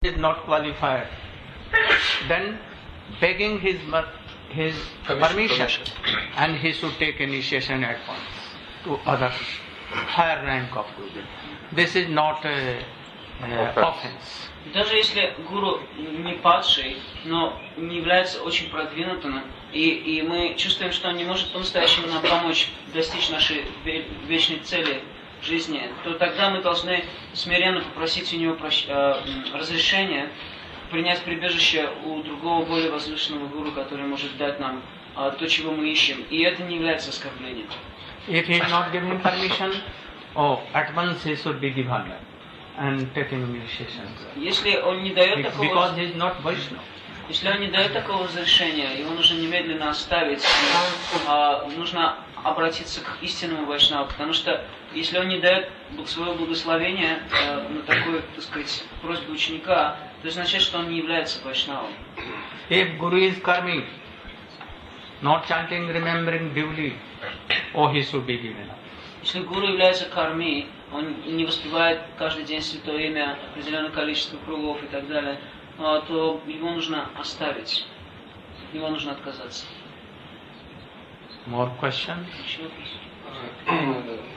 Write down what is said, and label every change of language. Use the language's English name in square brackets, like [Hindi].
[English] did not qualify, then begging his permission and he should take initiation at once to other higher rank of guru. This is not an offense. [Russian] Даже если гуру не падший, но не является очень продвинутым, и мы чувствуем, что он не может по-настоящему нам помочь достичь нашей вечной цели жизни, то тогда мы должны смиренно попросить у него разрешения принять прибежище у другого более возвышенного гуру, который может дать нам то, чего мы ищем. И это не является оскорблением. [English] If he is not given permission, at once he should be given and taking initiation. [Russian] Если он не дает такого, [English] because he is not Vaishnava. [Russian] Если он не дает такого разрешения, его нужно немедленно оставить. Нужно обратиться к истинному вайшнаву, потому что если он не дает свое благословение на такую, так сказать, просьбу ученика, то означает, что он не является вайшнавом. [English] If guru is karmi, not chanting, remembering duly, he should be given up. [Russian] Если гуру является карми, он не воспевает каждый день святое имя, определенное количество кругов и так далее, то его нужно оставить, от него нужно отказаться. [English] More questions? [Russian] Еще вопрос.